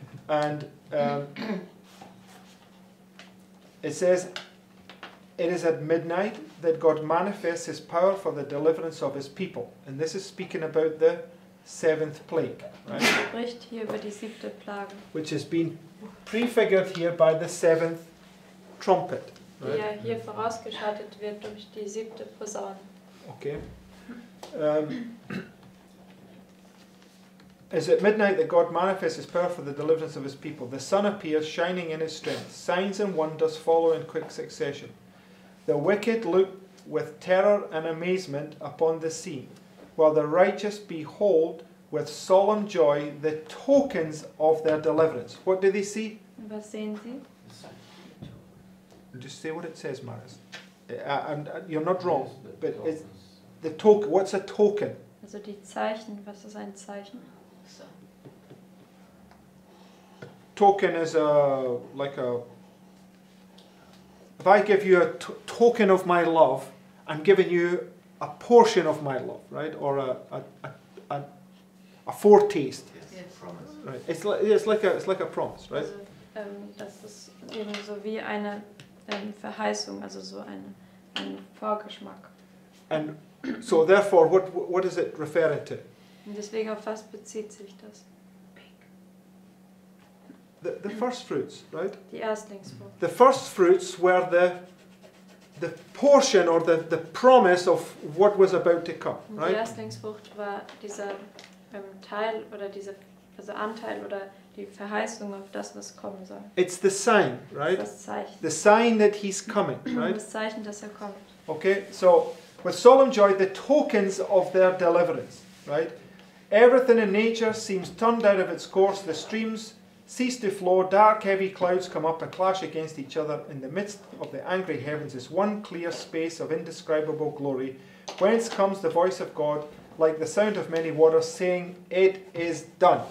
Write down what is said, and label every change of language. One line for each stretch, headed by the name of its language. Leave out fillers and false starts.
English: And it says, it is at midnight that God manifests his power for the deliverance of his people. And this is speaking about the seventh plague, right?
German: Er spricht hier über die siebte Plage.
English: Which has been prefigured here by the seventh trumpet.
German: Ja, hier vorausgeschaltet wird durch die siebte Posaune.
English: Okay. Is it midnight that God manifests his power for the deliverance of his people? The sun appears, shining in his strength. Signs and wonders follow in quick succession. The wicked look with terror and amazement upon the scene, while the righteous behold with solemn joy the tokens of their deliverance. What do they see?
German: Was sehen sie?
English: Just say what it says, Maris. You're not wrong, but it's the token. What's a token?
German: Also die Zeichen. Was ist ein Zeichen?
English: A token is a like a. If I give you a token of my love, I'm giving you a portion of my love, right? Or a foretaste. Yes. Yes. Promise. Right. It's like a promise, right?
German: Also, das ist eben so wie eine Verheißung, also so ein Vorgeschmack.
English: And so therefore, what is it referring to?
German: Und deswegen, auf was bezieht sich das?
English: The first fruits, right?
German: Die Erstlingsfrucht.
English: The first fruits were the portion or the promise of what was about to come, right?
German: Die Erstlingsfrucht war dieser Teil oder diese also Anteil oder die Verheißung auf das, was kommen soll.
English: It's the sign, right?
German: Das Zeichen.
English: The sign that he's coming, right?
German: Das Zeichen, dass er kommt.
English: Okay, so with solemn joy, the tokens of their deliverance, right? Everything in nature seems turned out of its course, the streams cease to flow, dark heavy clouds come up and clash against each other. In the midst of the angry heavens is one clear space of indescribable glory, whence comes the voice of God, like the sound of many waters, saying, it is done.